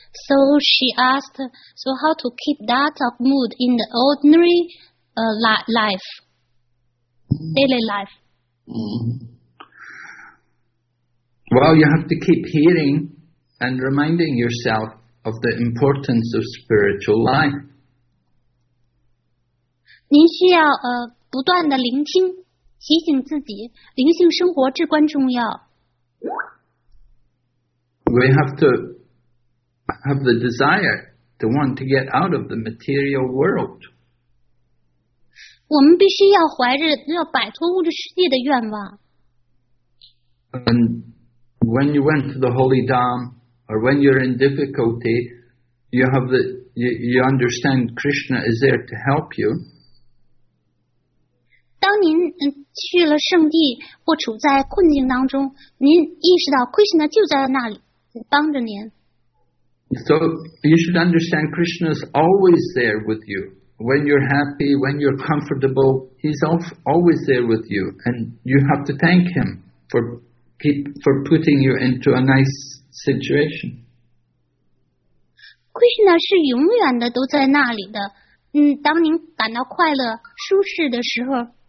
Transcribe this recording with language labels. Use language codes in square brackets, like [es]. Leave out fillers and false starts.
[en] So she asked, so how to keep that of mood in the ordinary life, daily life? Well, you have to keep hearing and reminding yourself of the importance of spiritual life. [zh] 您需要不断的聆听，提醒自己，灵性生活至关重要。 [en] We have to have the desire to want to get out of the material world. [zh] 我们必须要怀着要摆脱物质世界的愿望。 [en] And when you went to the Holy Dham, or when you're in difficulty, you understand Krishna is there to help you. [zh] 当您去了圣地或处在困境当中，您意识到 Krishna 就在那里帮着您。 [en] So you should understand Krishna is always there with you. When you're happy, when you're comfortable, he's always there with you. And you have to thank him for putting you into a nice situation. [zh] Krishna 是永远的都在那里的。当您感到快乐、舒适的时候。